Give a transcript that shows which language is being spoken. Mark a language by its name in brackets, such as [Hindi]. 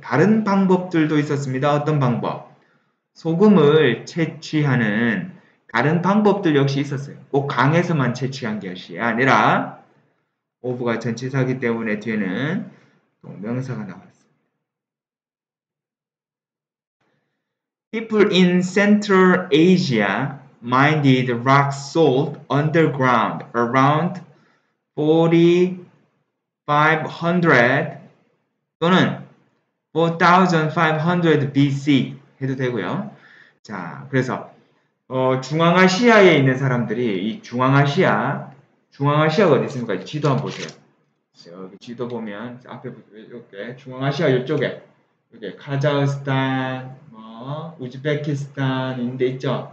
[Korean] 다른 방법들도 있었습니다. 어떤 방법? 소금을 채취하는 다른 방법들 역시 있었어요. 꼭 강에서만 채취한 것이 아니라 오브가 전치사이기 때문에 뒤에는 명사가 나와요. [English] People in Central Asia mined rock salt underground around 4,500 [Korean] 또는 [English] 4,500 BC [Korean] 해도 되고요. 자, 그래서 중앙아시아에 있는 사람들이 이 중앙아시아가 어디 있습니까? 지도 한번 보세요. 여기 지도 보면 앞에 이렇게 중앙아시아 이쪽에 이렇게 카자흐스탄 우즈베키스탄 인데 있죠?